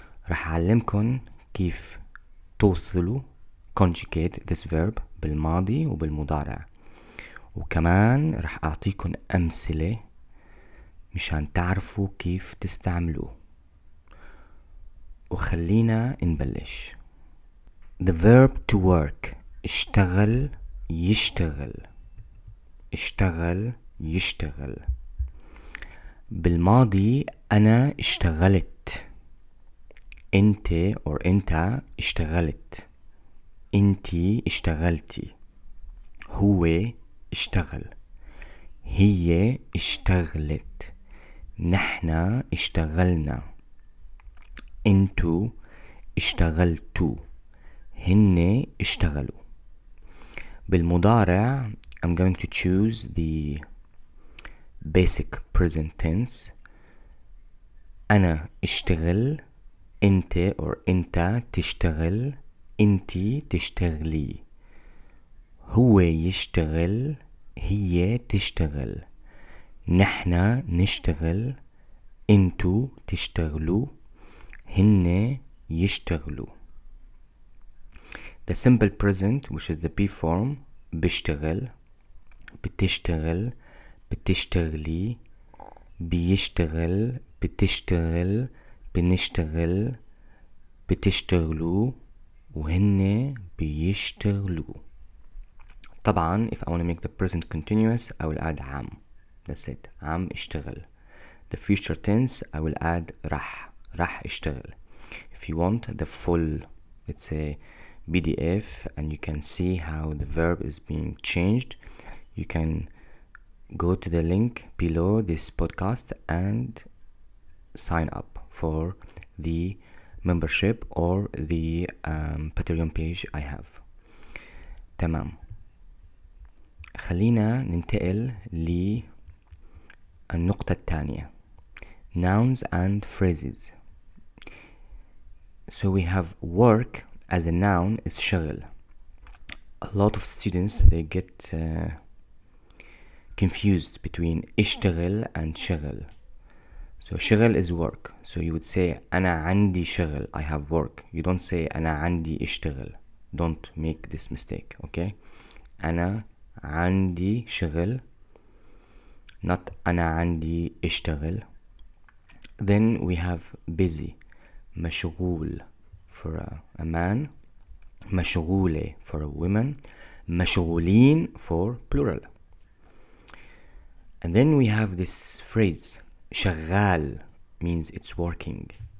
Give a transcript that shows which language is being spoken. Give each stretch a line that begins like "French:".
Arabic: رح أعلمكن كيف توصلوا
English: conjugate this verb
Arabic: بالماضي وبالمضارع، وكمان رح أعطيكن أمثلة مشان تعرفوا كيف تستعملوا. وخلينا نبلش.
English: The verb to work، اشتغل، يشتغل.
Arabic: اشتغل، يشتغل. بالماضي أنا اشتغلت، أنت أو أنت اشتغلت، أنت اشتغلتي، هو اشتغل، هي اشتغلت، نحن اشتغلنا، أنتو اشتغلتو، هن اشتغلوا.
English: بالمضارع I'm going to choose the basic present tense.
Arabic: أنا اشتغل، أنت أو أنت تشتغل، أنت تشتغلي، هو يشتغل، هي تشتغل، نحن نشتغل، أنتو تشتغلوا، هن يشتغلوا.
English: The simple present, which is the be form,
Arabic: بيشتغل، بتشتغل، بتشتغلي، بيشتغل، بتشتغل، بنشتغل، بتشتغلوا، وهن بيشتغلوا.
English: طبعا if I want to make the present continuous I will add عم. That's it.
Arabic: عم اشتغل.
English: The future tense I will add رح.
Arabic: رح اشتغل.
English: If you want the full, let's say PDF, and you can see how the verb is being changed, you can go to the link below this podcast and sign up for the membership or the Patreon page I have.
Arabic: تمام. خلينا ننتقل للنقطة الثانية.
English: Nouns and phrases. So we have work as a noun is شغل. A lot of students, they get confused between اشتغل and شغل. So شغل is work. So you would say
Arabic: أنا عندي شغل.
English: I have work. You don't say
Arabic: أنا عندي اشتغل.
English: Don't make this mistake. Okay.
Arabic: أنا عندي شغل. Not أنا عندي اشتغل.
English: Then we have busy. مشغول for a man. مشغولة for a woman. مشغولين for plural. And then we have this phrase, شغال means it's working.